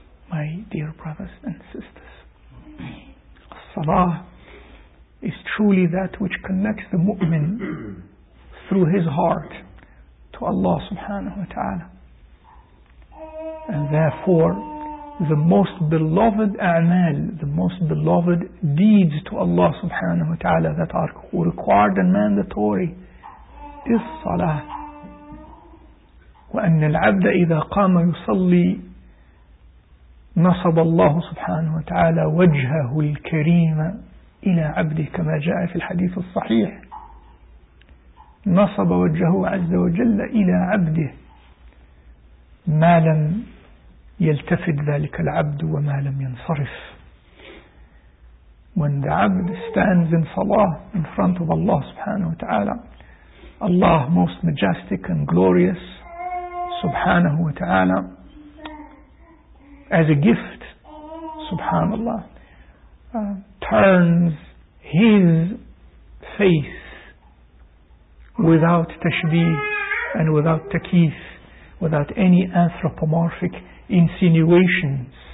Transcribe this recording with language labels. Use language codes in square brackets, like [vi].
[en] My dear brothers and sisters, Salah is truly that which connects the mu'min through his heart to Allah subhanahu wa ta'ala. And therefore, the most beloved a'mal, the most beloved deeds to Allah subhanahu wa ta'ala that are required and mandatory is salah. [ar] وَأَنَّ الْعَبْدَ إِذَا قَامَ يُصَلِّي نَصَبَ اللَّهُ سُبْحَانَهُ وَتَعَالَى وَجْهَهُ الْكَرِيمَ إِلَى عَبْدِهِ كما جاء في الحديث الصحيح. نصب وجهه عز وجل إلى عبده ما لم يلتفت ذلك العبد وما لم ينصرف. [en] When the abd stands in salah in front of Allah subhanahu wa ta'ala, Allah most majestic and glorious subhanahu wa ta'ala, as a gift subhanallah, turns his face without tashbih and without takif, without any anthropomorphic insinuations.